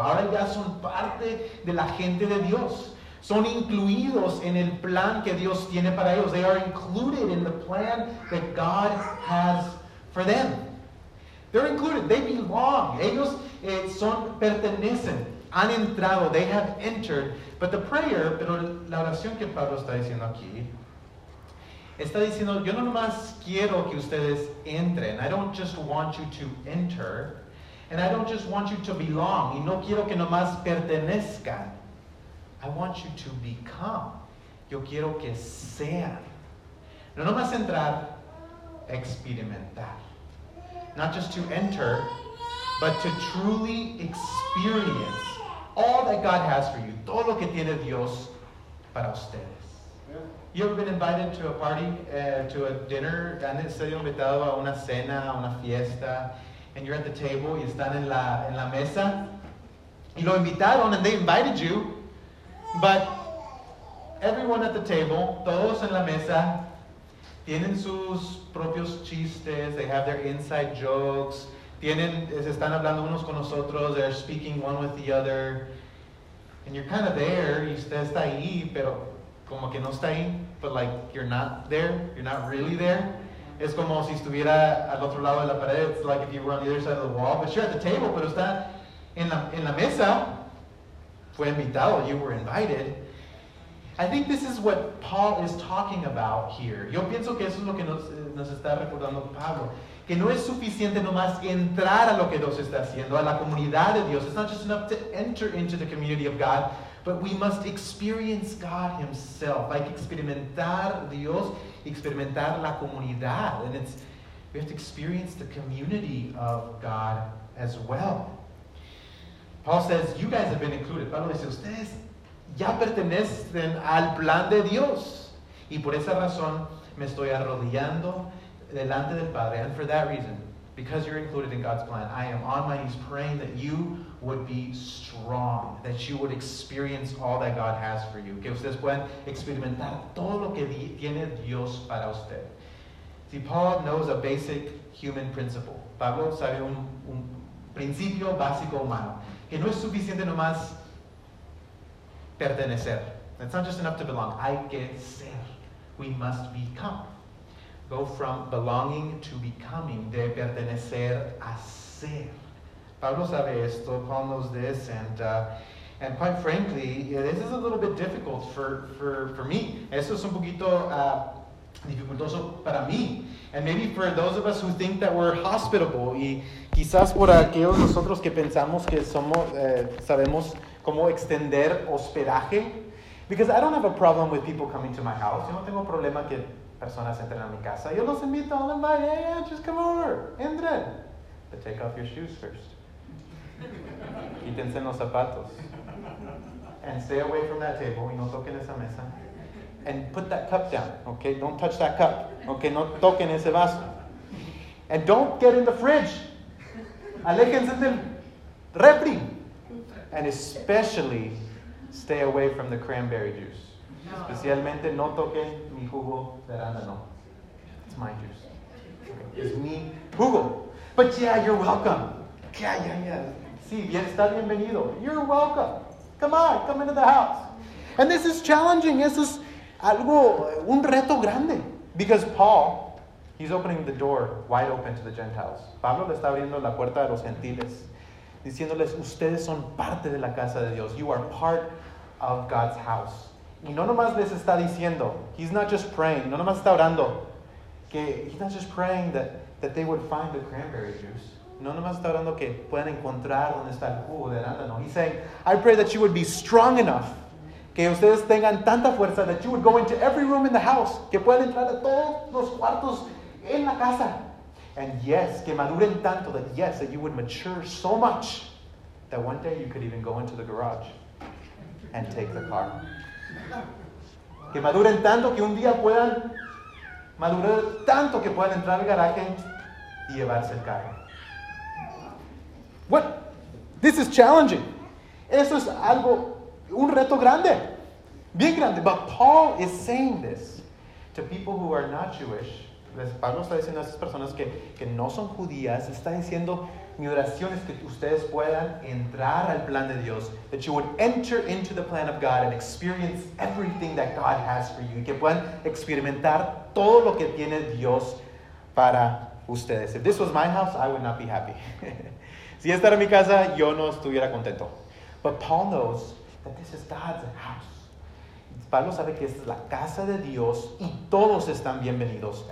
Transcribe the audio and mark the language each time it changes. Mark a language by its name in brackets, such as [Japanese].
[Spanish] Ahora ya son parte de la gente de Dios. Son incluidos en el plan que Dios tiene para ellos. [English] They are included in the plan that God has for them. They're included. They belong. [Spanish] Ellos son, pertenecen. Han entrado. [English] They have entered. But the prayer, [Spanish] pero la oración que Pablo está diciendo aquí, está diciendo, yo no nomás quiero que ustedes entren. [English] I don't just want you to enter. And I don't just want you to belong. [Spanish] Y no quiero que nomás pertenezcan. [English] I want you to become. [Spanish] Yo quiero que sean. No nomás entrar, experimentar. [English] Not just to enter, but to truly experience all that God has for you. [Spanish] Todo lo que tiene Dios para ustedes. [English] You ever been invited to a party, to a dinner? [Spanish] ¿Han sido invitado a una cena, a una fiesta? [English] And you're at the table, [Spanish] y están en la mesa. Y lo invitaron, [English] and they invited you. But everyone at the table, [Spanish] todos en la mesa, tienen sus propios chistes. [English] They have their inside jokes. [Spanish] Están hablando unos con nosotros. [English] They're speaking one with the other. And you're kind of there. [Spanish] Y usted está ahí, pero como que no está ahí. [English] But like, you're not there. You're not really there. [Spanish] Es como si estuviera al otro lado de la pared. [English] It's like if you were on the other side of the wall. But you're at the table, [Spanish] pero está en la mesa. Fue invitado. [English] You were invited. I think this is what Paul is talking about here. [Spanish] Yo pienso que eso es lo que nos está recordando Pablo. Que no es suficiente nomás entrar a lo que Dios está haciendo, a la comunidad de Dios. [English] It's not just enough to enter into the community of God. But we must experience God Himself. [Spanish] Like experimentar Dios, experimentar la comunidad. [English] And it's, we have to experience the community of God as well. Paul says, you guys have been included. [Spanish] Pablo dice, ustedes ya pertenecen al plan de Dios. Y por esa razón, me estoy arrodillando delante del Padre. [English] And for that reason, because you're included in God's plan, I am on my knees praying that you would be strong, that you would experience all that God has for you, [Spanish] que ustedes puedan experimentar todo lo que tiene Dios para usted. [English] See, Paul knows a basic human principle. [Spanish] Pablo sabe un principio básico humano, que no es suficiente nomás pertenecer. [English] It's not just enough to belong. [Spanish] Hay que ser. [English] We must become. Go from belonging to becoming, [Spanish] de pertenecer a ser. Pablo sabe esto, [English] Paul knows this, and quite frankly, this is a little bit difficult for me. [Spanish] Esto es un poquito dificultoso para mí. [English] And maybe for those of us who think that we're hospitable, y [Spanish] quizás por aquellos nosotros que pensamos que somos, sabemos cómo extender hospedaje. [English] Because I don't have a problem with people coming to my house. [Spanish] Yo no tengo problema que personas entren a mi casa. Yo los invito, [English] I'll invite, hey, yeah, just come over, [Spanish] entren. [English] But take off your shoes first. [Spanish] Quítense los zapatos. [English] And stay away from that table. [Spanish] Y no toquen esa mesa. [English] And put that cup down, okay? Don't touch that cup, okay? [Spanish] No toquen ese vaso. [English] And don't get in the fridge. [Spanish] Aléjense del refri. [English] And especially, stay away from the cranberry juice. [Spanish] Especialmente no toque mi jugo de arándano. [English] It's my juice. Okay. It's [Spanish] mi jugo. [English] But yeah, you're welcome. Yeah, yeah, yeah. [Spanish] Sí, bien, está bienvenido. [English] You're welcome. Come on, come into the house. And this is challenging. This is [Spanish] algo, un reto grande. [English] Because Paul, he's opening the door wide open to the Gentiles. [Spanish] Pablo le está abriendo la puerta a los gentiles, diciéndoles, ustedes son parte de la casa de Dios. [English] You are part of God's house. [Spanish] Y no nomás les está diciendo, [English] he's not just praying, [Spanish] no nomás está orando, que [English] he's not just praying that they would find the cranberry juice. [Spanish] No nomás está orando que puedan encontrar donde está el jugo de arándano. [English] He's saying, I pray that you would be strong enough, [Spanish] que ustedes tengan tanta fuerza, [English] that you would go into every room in the house, [Spanish] que puedan entrar a todos los cuartos en la casa. [English] And yes, [Spanish] que maduren tanto, [English] that yes, that you would mature so much, that one day you could even go into the garage and take the car. [Spanish] Que maduren tanto que un día puedan madurar tanto que puedan entrar al garaje y llevarse el carro. [English] What? This is challenging. [Spanish] Eso es algo, un reto grande. Bien grande. [English] But Paul is saying this to people who are not Jewish. [Spanish] Pablo está diciendo a esas personas que no son judías. Está diciendo, mi oración es que ustedes puedan entrar al plan de Dios. [English] That you would enter into the plan of God and experience everything that God has for you. [Spanish] Y que puedan experimentar todo lo que tiene Dios para ustedes. [English] If this was my house, I would not be happy. [Spanish] Si esta era mi casa, yo no estuviera contento. [English] But Paul knows that this is God's house. [Spanish] Pablo sabe que esta es la casa de Dios y todos están bienvenidos.